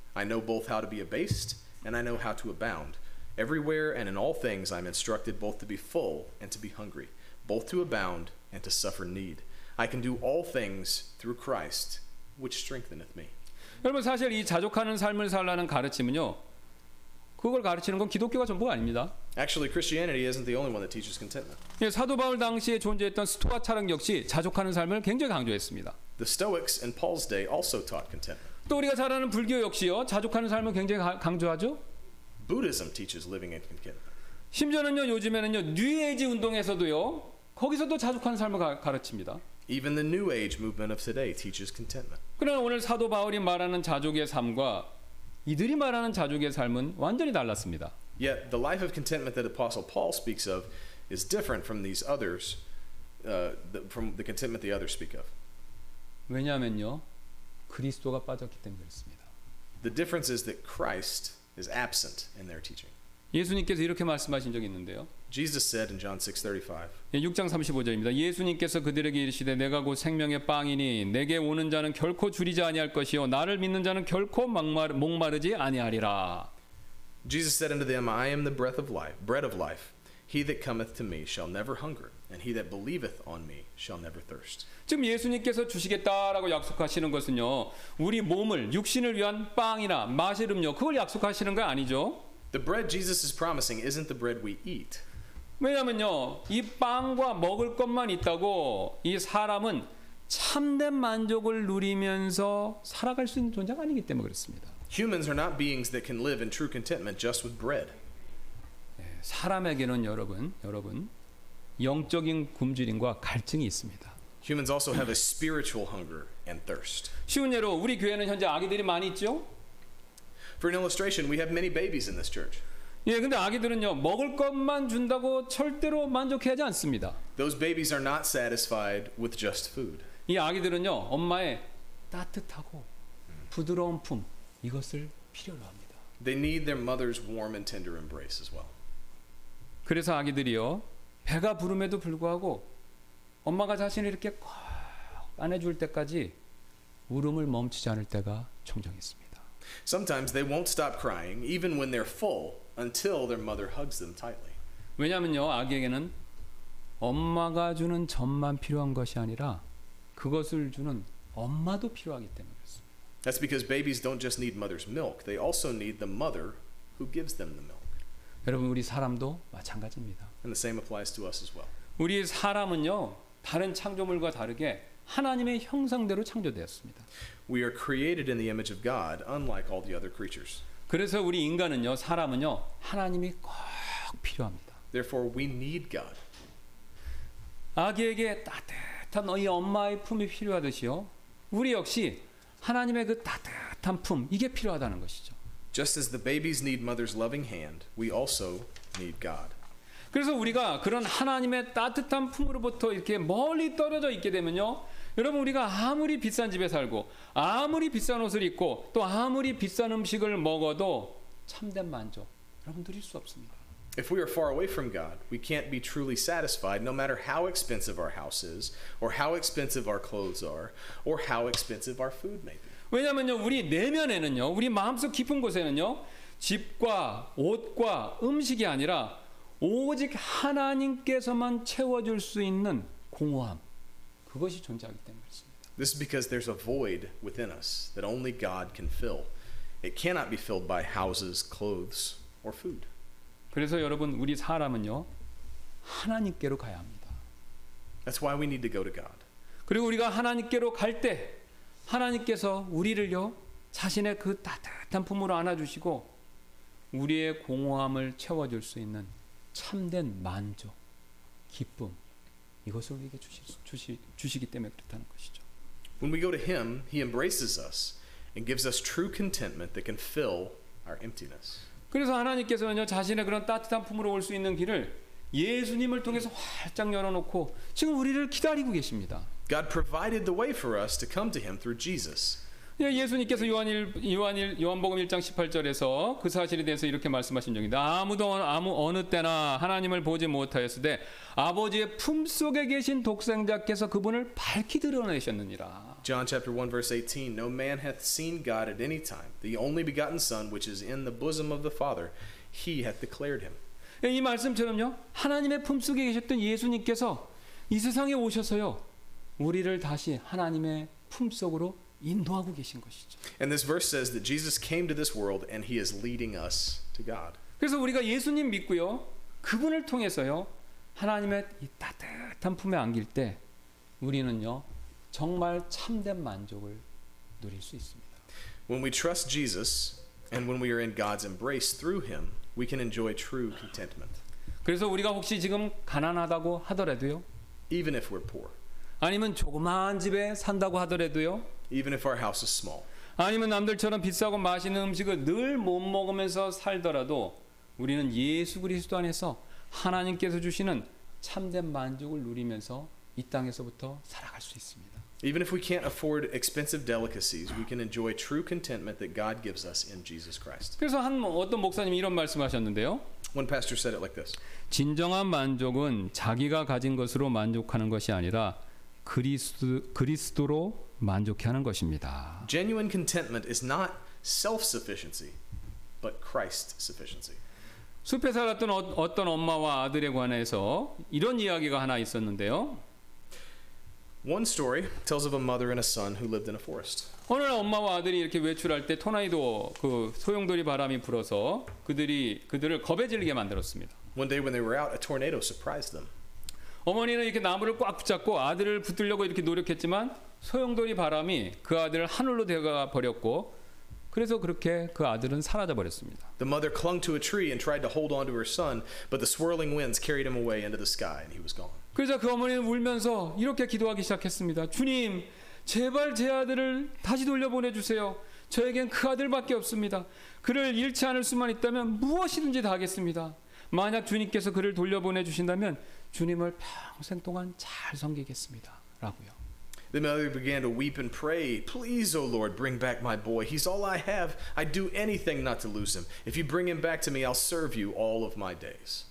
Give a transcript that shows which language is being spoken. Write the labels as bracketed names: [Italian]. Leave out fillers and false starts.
[English] I know both how to be abased, and I know how to abound. Everywhere and in all things I am instructed both to be full and to be hungry, both to abound and to suffer need. I can do all things through Christ, which strengtheneth me. [Korean] 여러분 사실 이 자족하는 삶을 살라는 가르침은요, 그걸 가르치는 건 기독교가 전부가 아닙니다. [English] Actually, Christianity isn't the only one that teaches contentment. [Korean] 예, 사도 바울 당시에 존재했던 스토아 철학 역시 자족하는 삶을 굉장히 강조했습니다. [English] The Stoics in Paul's day also taught contentment. [Korean] 또 우리가 잘 아는 불교 역시요, 자족하는 삶을 굉장히 강조하죠. [English] Buddhism teaches living in contentment. [Korean] 심지어는요, 요즘에는요, 뉴에이지 운동에서도요, 거기서도 자족하는 삶을 가르칩니다. [English] Even the New Age movement of today teaches contentment. [Korean] 그러나 오늘 사도 바울이 말하는 자족의 삶과 이들이 말하는 자족의 삶은 완전히 달랐습니다. [English] Yet the life of contentment that Apostle Paul speaks of is different from these others, from the contentment the others speak of. [Korean] 왜냐하면요, 그리스도가 빠졌기 때문에 그렇습니다. [English] The difference is that Christ is absent in their teaching. [Korean] 예수님께서 이렇게 말씀하신 적이 있는데요. [English] Jesus said in John 6:35. [Korean] 6장 35절입니다. 예수님께서 그들에게 이르시되 내가 곧 생명의 빵이니 내게 오는 자는 결코 주리지 아니할 것이요 나를 믿는 자는 결코 목마르지 아니하리라. [English] Jesus said unto them, I am the breath of life, bread of life. He that cometh to me shall never hunger, and he that believeth on me shall never thirst. [Korean] 지금 예수님께서 주시겠다라고 약속하시는 것은요, 우리 몸을 육신을 위한 빵이나 마실 음료 그걸 약속하시는 거 아니죠? [English] The bread Jesus is promising isn't the bread we eat. [Korean] 왜냐면요, 이 빵과 먹을 것만 있다고 이 사람은 참된 만족을 누리면서 살아갈 수 있는 존재가 아니기 때문에 그렇습니다. [English] Humans are not beings that can live in true contentment just with bread. [Korean] 사람에게는 여러분 영적인 굶주림과 갈증이 있습니다. [English] Humans also have a spiritual hunger and thirst. [Korean] 쉬운 예로 우리 교회는 현재 아기들이 많이 있죠? [English] For an illustration, we have many babies in this church. [Korean] 예, 근데 아기들은요, 먹을 것만 준다고 절대로 만족해하지 않습니다. [English] Those babies are not satisfied with just food. [Korean] 이 아기들은요, 엄마의 따뜻하고 부드러운 품 이것을 필요로 합니다. [English] They need their mother's warm and tender embrace as well. [Korean] 그래서 아기들이요, 배가 부름에도 불구하고 엄마가 자신을 이렇게 꽉 안아줄 때까지 울음을 멈추지 않을 때가 종종 있습니다. [English] Sometimes they won't stop crying even when they're full until their mother hugs them tightly. [Korean] 왜냐면요, 아기에게는 엄마가 주는 젖만 필요한 것이 아니라 그것을 주는 엄마도 필요하기 때문에 그렇습니다. [English] That's because babies don't just need mother's milk. They also need the mother who gives them the milk. [Korean] 여러분 우리 사람도 마찬가지입니다. [English] And the same applies to us as well. [Korean] 우리 사람은요, 다른 창조물과 다르게 하나님의 형상대로 창조되었습니다. [English] We are created in the image of God, unlike all the other creatures. [Korean] 그래서 우리 인간은요, 사람은요, 하나님이 꼭 필요합니다. [English] Therefore, we need God. [Korean] 아기에게 따뜻한 너희 엄마의 품이 필요하듯이요, 우리 역시 하나님의 그 따뜻한 품 이게 필요하다는 것이죠. [English] Just as the babies need mother's loving hand, we also need God. [Korean] 그래서 우리가 그런 하나님의 따뜻한 품으로부터 이렇게 멀리 떨어져 있게 되면요, 여러분 우리가 아무리 비싼 집에 살고 아무리 비싼 옷을 입고 또 아무리 비싼 음식을 먹어도 참된 만족 여러분 누릴 수 없습니다. [English] If we are far away from God, we can't be truly satisfied, no matter how expensive our house is, or how expensive our clothes are, or how expensive our food may be. [Korean] 왜냐면요, 우리 내면에는요, 우리 마음속 깊은 곳에는요, 집과 옷과 음식이 아니라 오직 하나님께서만 채워줄 수 있는 공허함 그것이 존재하기 때문입니다. [English] This is because there's a void within us that only God can fill. It cannot be filled by houses, clothes, or food. [Korean] 그래서 여러분 우리 사람은요 하나님께로 가야 합니다. [English] That's why we need to go to God. [Korean] 그리고 우리가 하나님께로 갈 때 하나님께서 우리를요 자신의 그 따뜻한 품으로 안아주시고 우리의 공허함을 채워줄 수 있는 참된 만족, 기쁨 이것을 우리에게 주시기 때문에 그렇다는 것이죠. [English] When we go to Him, He embraces us and gives us true contentment that can fill our emptiness. [Korean] 그래서 하나님께서는요 자신의 그런 따뜻한 품으로 올 수 있는 길을 예수님을 통해서 활짝 열어놓고 지금 우리를 기다리고 계십니다. [English] God provided the way for us to come to Him through Jesus. [Korean] 예, 예수님께서 요한복음 1장 18절에서 그 사실에 대해서 이렇게 말씀하신 적입니다. 아무 어느 때나 하나님을 보지 못하였으되 아버지의 품 속에 계신 독생자께서 그분을 밝히 드러내셨느니라. [English] John chapter 1 verse 18. No man hath seen God at any time. The only begotten Son, which is in the bosom of the Father, He hath declared Him. [Korean] 예, 이 말씀처럼요, 하나님의 품 속에 계셨던 예수님께서 이 세상에 오셔서요, 우리를 다시 하나님의 품 속으로 인도하고 계신 것이죠. [English] And this verse says that Jesus came to this world and He is leading us to God. [Korean] 그래서 우리가 예수님 믿고요, 그분을 통해서요, 하나님의 이 따뜻한 품에 안길 때, 우리는요, 정말 참된 만족을 누릴 수 있습니다. [English] When we trust Jesus and when we are in God's embrace through Him, we can enjoy true contentment. [Korean] 그래서 우리가 혹시 지금 가난하다고 하더라도요, [English] even if we're poor. [Korean] 아니면 조그마한 집에 산다고 하더라도요. [English] Even if our house is small. [Korean] 아니면 남들처럼 비싸고 맛있는 음식을 늘 못 먹으면서 살더라도 우리는 예수 그리스도 안에서 하나님께서 주시는 참된 만족을 누리면서 이 땅에서부터 살아갈 수 있습니다. [English] Even if we can't afford expensive delicacies, we can enjoy true contentment that God gives us in Jesus Christ. [Korean] 그래서 한 어떤 목사님이 이런 말씀하셨는데요. [English] One pastor said it like this. [Korean] 진정한 만족은 자기가 가진 것으로 만족하는 것이 아니라 그리스도로 만족해 하는 것입니다. [English] Genuine contentment is not self-sufficiency, but Christ-sufficiency. [Korean] 숲에 살았던 어떤 엄마와 아들에 관해서 이런 이야기가 하나 있었는데요. [English] One story tells of a mother and a son who lived in a forest. [Korean] 어느 날 엄마와 아들이 이렇게 외출할 때 토나이도 그 소용돌이 바람이 불어서 그들을 겁에 질리게 만들었습니다. [English] One day when they were out, a tornado surprised them. [Korean] 어머니는 이렇게 나무를 꽉 붙잡고 아들을 붙들려고 이렇게 노력했지만 소용돌이 바람이 그 아들을 하늘로 데려가 버렸고 그래서 그렇게 그 아들은 사라져 버렸습니다. [English] The mother clung to a tree and tried to hold on to her son, but the swirling winds carried him away into the sky and he was gone. [Korean] 그래서 그 어머니는 울면서 이렇게 기도하기 시작했습니다. 주님, 제발 제 아들을 다시 돌려보내 주세요. 저에겐 그 아들밖에 없습니다. 그를 잃지 않을 수만 있다면 무엇이든지 다 하겠습니다. 만약 주님께서 그를 돌려보내 주신다면 주님을 평생 동안 잘 섬기겠습니다. 라고요. [English] The mother began to weep and pray, "Please, O Lord, bring back my boy. He's all I have. I'd do anything not to lose him. If you bring him back to me, I'll serve you all of my days."